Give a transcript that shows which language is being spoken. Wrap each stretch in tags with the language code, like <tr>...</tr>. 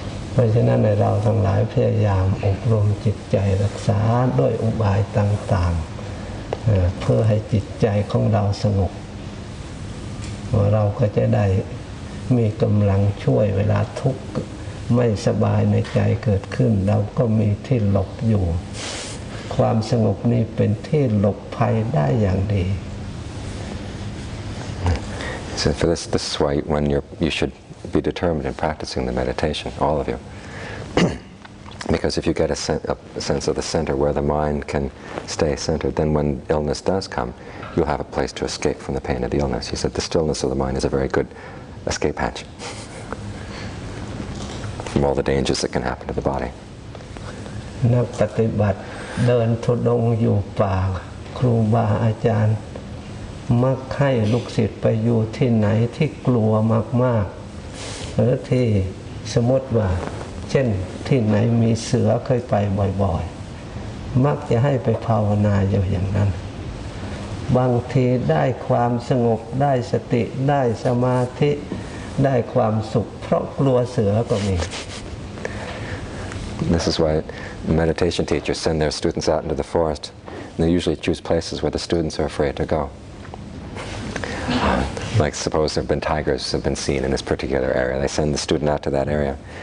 <th>เพราะฉะนั้นในเราทั้งหลายพยายามอบรมจิตใจรักษาด้วยอุบายต่างๆ เพื่อให้จิตใจของเราสงบเราก็จะได้มีกำลังช่วยเวลาทุกข์ไม่สบายในใจเกิดขึ้นเราก็มีที่หลบอยู่ความสงบนี้เป็นที่หลบภัยได้อย่างดี</th> <en>So for this is why when you shouldbe determined in practicing the meditation, all of you. Because if you get a sense of the center where the mind can stay centered, then when illness does come, you'll have a place to escape from the pain of the illness. He said the stillness of the mind is a very good escape hatch from all the dangers that can happen to the body.</en> <th>นักปฏิบัติเดินทุดงอยู่ป่าครูบาอาจารย์มักให้ลูกศิษย์ไปอยู่ที่ไหนที่กลัวมากมากหรือที่สมมติว่าเช่นที่ไหนมีเสือเคยไปบ่อยๆมักจะให้ไปภาวนาอยู่อย่างนั้นบางทีได้ความสงบได้สติได้สมาธิได้ความสุขเพราะกลัวเสือก็มี</th> <en>This is why meditation teachers send their students out into the forest. They usually choose places where the students are afraid to go. Like suppose there have been tigers have been seen in this particular area. They send the student out to that area.</en>